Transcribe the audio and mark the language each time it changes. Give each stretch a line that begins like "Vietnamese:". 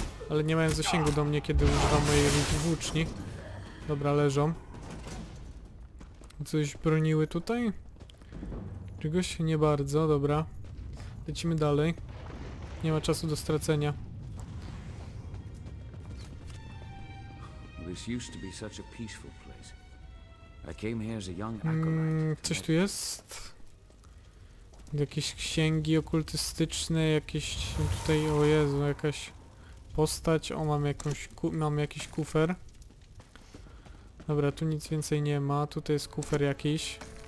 Polish: Ale nie mają zasięgu do mnie, kiedy używam mojej włóczni. Dobra, leżą. Coś broniły tutaj? Czegoś nie bardzo, dobra. Lecimy dalej. Nie ma czasu do stracenia.
English: This used to be such a peaceful place. I came here as a young acolyte.
Polish: Coś tu jest? Jakieś księgi okultystyczne, jakieś tutaj, o Jezu, jakaś postać, o mam jakiś kufer. Dobra, tu nic więcej nie ma, tutaj jest kufer jakiś.